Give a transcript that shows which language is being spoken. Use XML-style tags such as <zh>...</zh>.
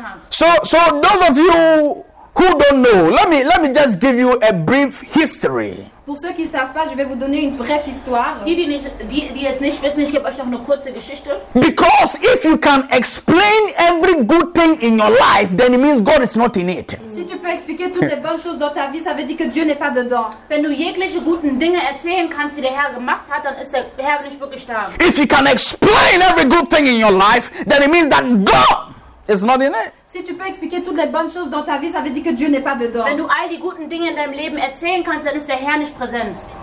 <en>So those of you who don't know, let me just give you a brief history.</en> <fr>Pour ceux qui savent pas, je vais vous donner une brève histoire.</fr> <de>Die es nicht wissen, ich gebe euch noch eine kurze Geschichte.</de> <en>Because if you can explain every good thing in your life, then it means God is not in it.</en> <fr>Si tu peux expliquer toutes les bonnes choses dans ta vie, ça veut dire que Dieu n'est pas dedans.</fr> <de>Wenn du jegliche guten Dinge erzählen kannst, die der Herr gemacht hat, dann ist der Herr nicht wirklich da.</de> <en>If you can explain every good thing in your life, then it means that God is not in it.</en> <fr>Si tu peux expliquer toutes les bonnes choses dans ta vie, ça veut dire que Dieu n'est pas dedans.</fr> <de>Wenn du all die guten Dinge in deinem Leben erzählen kannst, dann ist der Herr nicht präsent.</de>